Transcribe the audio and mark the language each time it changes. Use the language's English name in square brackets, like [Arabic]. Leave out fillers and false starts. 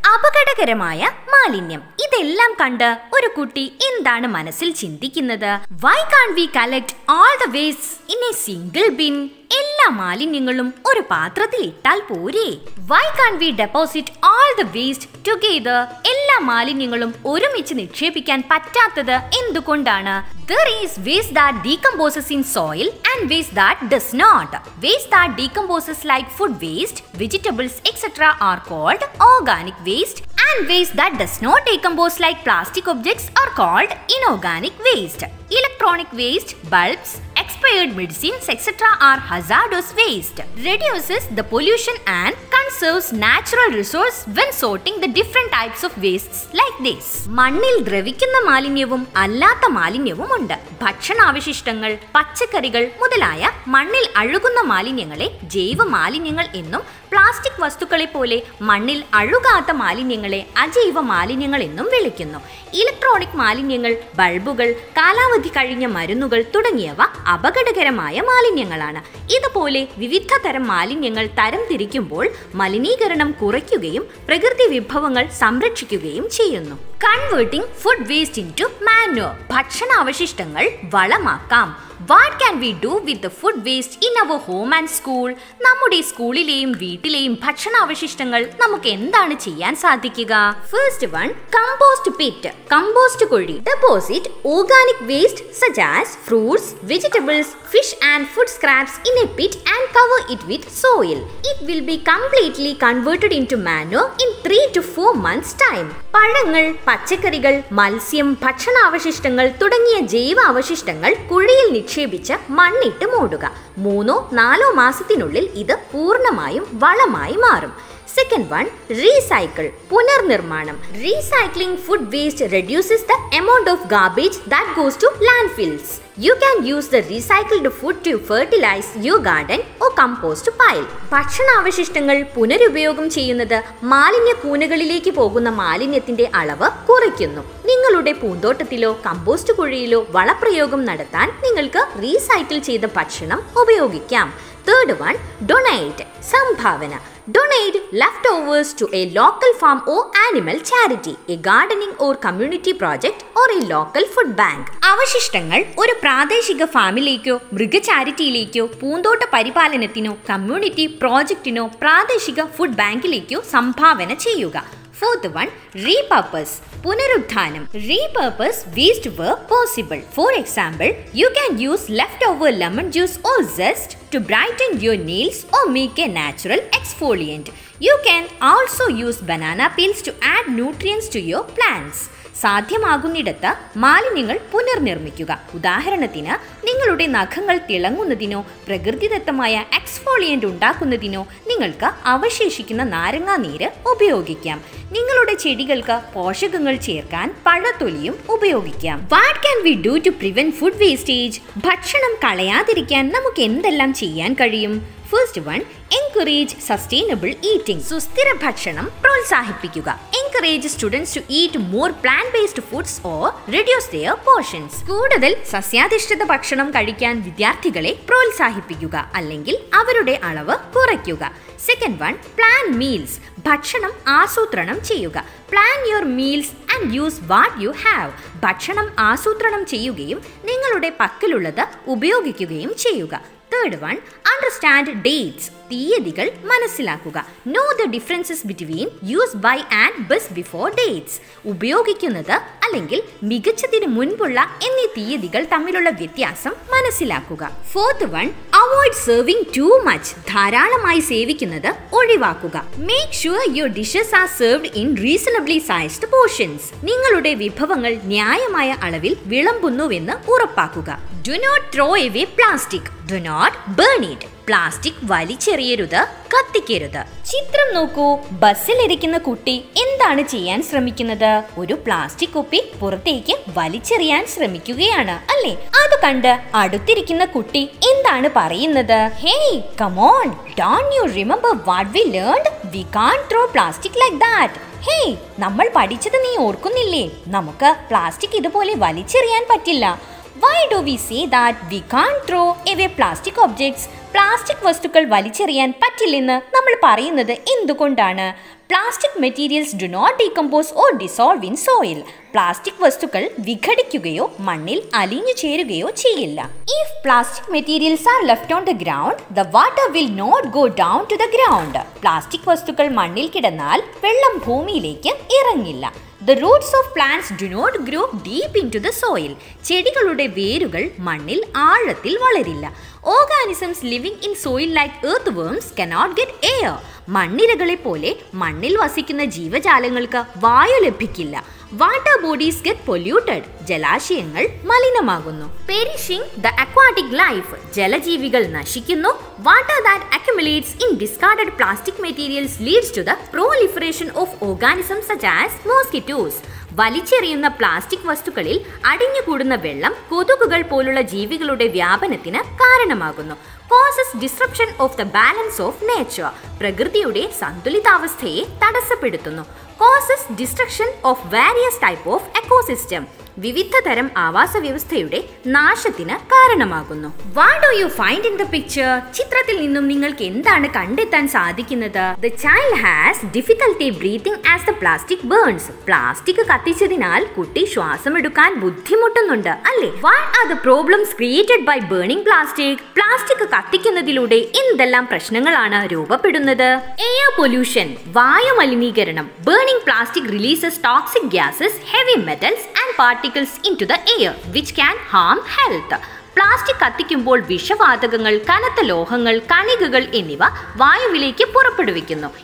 [Malayalam] അപകടകരമായ മാലിന്യം. ഇതെല്ലാം കണ്ട് ഒരു കുട്ടി എന്താണ് മനസ്സിൽ ചിന്തിക്കുന്നത്? [English] Why can't we collect all the waste in a single bin? [Malayalam] എല്ലാ മാലിന്യങ്ങളും ഒരു പാത്രത്തിൽ ഇട്ടാൽ പോരെ? [English] Why can't we deposit all the waste together? [Malayalam] എല്ലാ മാലിന്യങ്ങളും ഒരുമിച്ച് നിക്ഷേപിക്കാൻ പറ്റാത്തത് എന്തുകൊണ്ടാണ്? [English] There is waste that decomposes in soil and waste that does not. Waste that decomposes like food waste, vegetables etc. are called organic waste. And waste that does not decompose like plastic objects are called inorganic waste. Electronic waste, bulbs, expired medicines etc. are hazardous waste. Reduces the pollution and conserves natural resource when sorting the different types of wastes like this. [Malayalam] മണ്ണിൽ ദ്രവിക്കുന്ന മാലിന്യവും അല്ലാത്ത മാലിന്യവും ഉണ്ട്. ഭക്ഷണാവശിഷ്ടങ്ങൾ, പച്ചക്കറികൾ മുതലായ മണ്ണിൽ അഴുകുന്ന മാലിന്യങ്ങളെ ജൈവ മാലിന്യങ്ങൾ എന്നും plastic വസ്തുക്കളെ പോലെ മണ്ണിൽ അഴുകാത്ത മാലിന്യങ്ങളെ അജൈവ മാലിന്യങ്ങൾ എന്നും വിളിക്കുന്നു. ഇലക്ട്രോണിക് മാലിന്യങ്ങൾ, ബൾബുകൾ, കാലാവധി കഴിഞ്ഞ മരുന്നുകൾ തുടങ്ങിയവ അപകടകരമായ മാലിന്യങ്ങളാണ്. ഇതുപോലെ വിവിധ തരം മാലിന്യങ്ങൾ തരംതിരിക്കുമ്പോൾ മലിനീകരണം കുറയ്ക്കുകയും പ്രകൃതി വിഭവങ്ങൾ സംരക്ഷിക്കുകയും ചെയ്യുന്നു. [English] Converting food waste into manure. [Malayalam] ഭക്ഷണാവശിഷ്ടങ്ങൾ വളമാക്കാം. [English] What can we do with the food waste in our home and school? [Malayalam] നമ്മുടെ സ്കൂളിലെയും വീട്ടിലെയും ഭക്ഷണാവശിഷ്ടങ്ങൾ നമുക്ക് എന്താണ് ചെയ്യാൻ സാധിക്കുക? [English] First one, compost pit. Compost കുഴി. Deposit organic waste such as fruits, vegetables, fish and food scraps in a pit and cover it with soil. It will be completely converted into manure in 3 to 4 months time. [Malayalam] പഴങ്ങൾ, പച്ചക്കറികൾ, മത്സ്യം, ഭക്ഷണാവശിഷ്ടങ്ങൾ തുടങ്ങിയ ജൈവ അവശിഷ്ടങ്ങൾ കുഴിയിൽ നിക്ഷേപിച്ച് മണ്ണിട്ട് മൂടുക. 3-4 months ഇത് പൂർണ്ണമായും വളമായി മാറും. [English] Second one, recycle, പുനർനിർമ്മാണം. Recycling food waste reduces the amount of garbage that goes to landfills. You can use the recycled food to fertilize your garden or compost pile. [Malayalam] ഭക്ഷണാവശിഷ്ടങ്ങൾ പുനരുപയോഗം ചെയ്യുന്നത് മാലിന്യ കൂനകളിലേക്ക് പോകുന്ന മാലിന്യത്തിന്റെ അളവ് കുറയ്ക്കുന്നു. നിങ്ങളുടെ പൂന്തോട്ടത്തിലോ കമ്പോസ്റ്റ് കുഴിയിലോ വളപ്രയോഗം നടത്താൻ നിങ്ങൾക്ക് റീസൈക്കിൾ ചെയ്ത ഭക്ഷണം ഉപയോഗിക്കാം. [English] Third one, donate, സംഭാവന. Donate leftovers to a local farm or animal charity, a gardening or community project, or a local food bank. [Malayalam] അവശിഷ്ടങ്ങൾ ഒരു പ്രാദേശിക ഫാമിലേക്കോ മൃഗ ചാരിറ്റിയിലേക്കോ പൂന്തോട്ട പരിപാലനത്തിനോ കമ്മ്യൂണിറ്റി പ്രോജക്റ്റിനോ പ്രാദേശിക ഫുഡ് ബാങ്കിലേക്കോ സംഭാവന ചെയ്യുക. [English] Fourth one, repurpose, പുനരുദ്ധാനം. Repurpose waste were possible. For example, you can use leftover lemon juice or zest to brighten your nails or make a natural exfoliant. You can also use banana peels to add nutrients to your plants. [Malayalam] സാധ്യമാകുന്നിടത്ത് മാലിന്യങ്ങൾ പുനർനിർമ്മിക്കുക. ഉദാഹരണത്തിന്, നിങ്ങളുടെ നഖങ്ങൾ തിളങ്ങുന്നതിനോ പ്രകൃതിദത്തമായ എക്സ്ഫോളിയൻ്റ് ഉണ്ടാക്കുന്നതിനോ നിങ്ങൾക്ക് അവശേഷിക്കുന്ന നാരങ്ങാനീര് ഉപയോഗിക്കാം. നിങ്ങളുടെ ചെടികൾക്ക് പോഷകങ്ങൾ ചേർക്കാൻ പഴത്തൊലിയും ഉപയോഗിക്കാം. [English] What can we do to prevent food wastage? [Malayalam] ഭക്ഷണം കളയാതിരിക്കാൻ നമുക്ക് എന്തെല്ലാം ചെയ്യാൻ കഴിയും? [English] First one, encourage sustainable eating. [Malayalam] സുസ്ഥിര ഭക്ഷണം പ്രോത്സാഹിപ്പിക്കുക. [English] Encourage students to eat more plant-based foods or reduce their portions. [Malayalam] കൂടുതൽ സസ്യാധിഷ്ഠിത ഭക്ഷണം കഴിക്കാൻ വിദ്യാർത്ഥികളെ പ്രോത്സാഹിപ്പിക്കുക, അല്ലെങ്കിൽ അവരുടെ അളവ് കുറയ്ക്കുക. [English] Second one, plan meals. [Malayalam] ഭക്ഷണം ആസൂത്രണം ചെയ്യുക. [English] Plan your meals and use what you have. [Malayalam] ഭക്ഷണം ആസൂത്രണം ചെയ്യുകയും നിങ്ങളുടെ പക്കലുള്ളത് ഉപയോഗിക്കുകയും ചെയ്യുക. [English] Third one, understand dates. [Malayalam] തീയതികൾ മനസ്സിലാക്കുക. [English] Know the differences between use by and best before dates. [Malayalam] ഉപയോഗിക്കുന്നത് അല്ലെങ്കിൽ മികച്ചതിന് മുൻപുള്ള എന്നീ തീയതികൾ തമ്മിലുള്ള വ്യത്യാസം മനസ്സിലാക്കുക. [English] Fourth one, avoid serving too much. [Malayalam] ധാരാളമായി സേവിക്കുന്നത് ഒഴിവാക്കുക. [English] Make sure your dishes are served in reasonably sized portions. നിങ്ങളുടെ വിഭവങ്ങൾ ന്യായമായ അളവിൽ വിളമ്പുന്നുവെന്ന് ഉറപ്പാക്കുക. Do not throw away plastic. Do not burn it. [Malayalam] Plastic വലിച്ചെറിയരുത്, കത്തിക്കരുത്. ചിത്രം നോക്കൂ. ബസ്സിലിരിക്കുന്ന കുട്ടി എന്താണ് ചെയ്യാൻ ശ്രമിക്കുന്നത്? ഒരു പ്ലാസ്റ്റിക് കുപ്പി പുറത്തേക്ക് വലിച്ചെറിയാൻ ശ്രമിക്കുകയാണ്, അല്ലെ? അത് കണ്ട് അടുത്തിരിക്കുന്ന കുട്ടി എന്താണ് പറയുന്നത്? [English] Hey, come on, don't you remember what we learned? We can't throw plastic like that. [Malayalam] Hey, നമ്മൾ പഠിച്ചത് നീ ഓർക്കുന്നില്ലേ? നമുക്ക് പ്ലാസ്റ്റിക് ഇതുപോലെ വലിച്ചെറിയാൻ പറ്റില്ല. [English] Why do we say that we can't throw away plastic objects? [Malayalam] Plastic വസ്തുക്കൾ വലിച്ചെറിയാൻ പറ്റില്ലെന്ന് നമ്മൾ പറയുന്നത് എന്തുകൊണ്ടാണ്? [English] Plastic materials do not decompose or dissolve in soil. [Malayalam] Plastic വസ്തുക്കൾ വിഘടിക്കുകയോ മണ്ണിൽ അലിഞ്ഞു ചേരുകയോ ചെയ്യില്ല. [English] If plastic materials are left on the ground, the water will not go down to the ground. [Malayalam] Plastic വസ്തുക്കൾ മണ്ണിൽ കിടന്നാൽ വെള്ളം ഭൂമിയിലേക്ക് ഇറങ്ങില്ല. [English] The roots of plants do not grow deep into the soil. [Malayalam] ചെടികളുടെ വേരുകൾ മണ്ണിൽ ആഴത്തിൽ വളരില്ല. [English] Organisms living in soil like earthworms cannot get air. [Malayalam] മണ്ണിരകളെ പോലെ മണ്ണിൽ വസിക്കുന്ന ജീവജാലങ്ങൾക്ക് വായു ലഭിക്കില്ല. [English] Water bodies get polluted. [Malayalam] ജലാശയങ്ങൾ മലിനമാകുന്നു. [English] Perishing the aquatic life. [Malayalam] ജലജീവികൾ നശിക്കുന്നു. [English] Water that accumulates in discarded plastic materials leads to the proliferation of organisms such as mosquitoes. [Malayalam] വലിച്ചെറിയുന്ന plastic വസ്തുക്കളിൽ അടിഞ്ഞുകൂടുന്ന വെള്ളം കൊതുകുകൾ പോലുള്ള ജീവികളുടെ വ്യാപനത്തിന് കാരണമാകുന്നു. [English] Causes disruption of the balance of nature. [Malayalam] പ്രകൃതിയുടെ സന്തുലിതാവസ്ഥയെ തടസ്സപ്പെടുത്തുന്നു. [English] Causes destruction of various type of ecosystem. [Malayalam] വിവിധ തരം ആവാസ വ്യവസ്ഥയുടെ നാശത്തിന് കാരണമാകുന്നു. [English] What do you find in the picture? [Malayalam] ചിത്രത്തിൽ നിന്നും നിങ്ങൾക്ക് എന്താണ് കണ്ടെത്താൻ സാധിക്കുന്നത്? [English] The child has difficulty breathing as the plastic burns. [Malayalam] Plastic കത്തിച്ചതിനാൽ കുട്ടി ശ്വാസമെടുക്കാൻ ബുദ്ധിമുട്ടുന്നുണ്ട് അല്ലേ? [English] What are the problems created by burning plastic? [Malayalam] Plastic കത്തിക്കുന്നതിലൂടെ എന്തെല്ലാം പ്രശ്നങ്ങളാണ് രൂപപ്പെടുന്നത്? [English] air pollution, [Malayalam] വായു മലിനീകരണം. [English] Burning plastic releases toxic gases, heavy metals and particles into the air which can harm health. [Malayalam] Plastic കത്തിക്കുമ്പോൾ വിഷവാതകങ്ങൾ, കനത്ത ലോഹങ്ങൾ, കണികകൾ എന്നിവ വായുവിലേക്ക് പുറപ്പെടുവിക്കുന്നു.